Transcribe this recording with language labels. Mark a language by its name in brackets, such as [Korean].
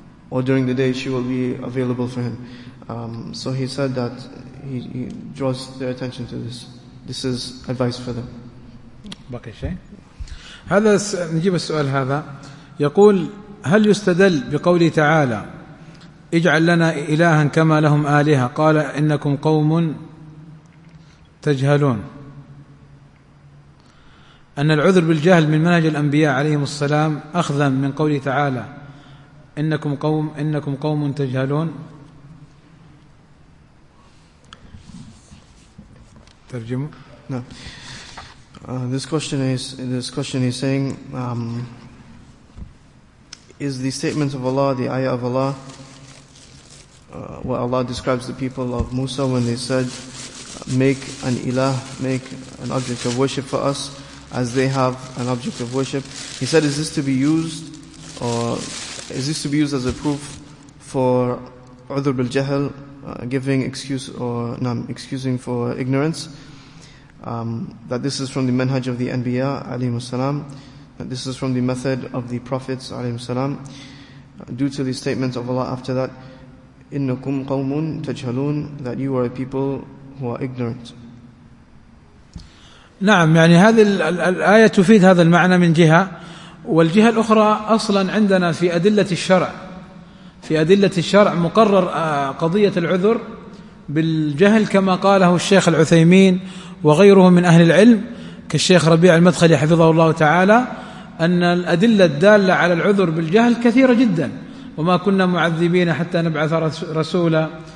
[English] Or during the day, she will be available for him. So he said that he draws their attention to this. This is advice for them. [Arabic] بقي شيء؟ هذا نجيب السؤال هذا. يقول هل يستدل بقوله تعالى اجعل لنا إلها كما لهم آلهة قال إنكم قوم تجهلون، أن العذر بالجهل من منهج الأنبياء عليهم السلام أخذا من قوله تعالى إنكم قوم تجهلون؟ ترجمه. [English] This question is saying is the statement of Allah, the ayah of Allah, where Allah describes the people of Musa when they said, make an ilah, make an object of worship for us, as they have an object of worship. He said, is this to be used as a proof for udhur bil jahl, giving excuse or no, excusing for ignorance, that this is from the manhaj of the Anbiya, alayhi wasalam, that this is from the method of the Prophets, alayhi wasalam, due to the statements of Allah after that, [Arabic] إِنَّكُمْ قَوْمٌ تَجْهَلُونَ, [English] that you are a people who are ignorant. [Arabic] نعم يعني هذه الآية تفيد هذا المعنى من جهة, والجهة الأخرى أصلا عندنا في أدلة الشرع, في أدلة الشرع مقرر قضية العذر بالجهل كما قاله الشيخ العثيمين وغيره من أهل العلم كالشيخ ربيع المدخلي حفظه الله تعالى, أن الأدلة الدالة على العذر بالجهل كثيرة جدا, وما كنا معذبين حتى نبعث رسولا,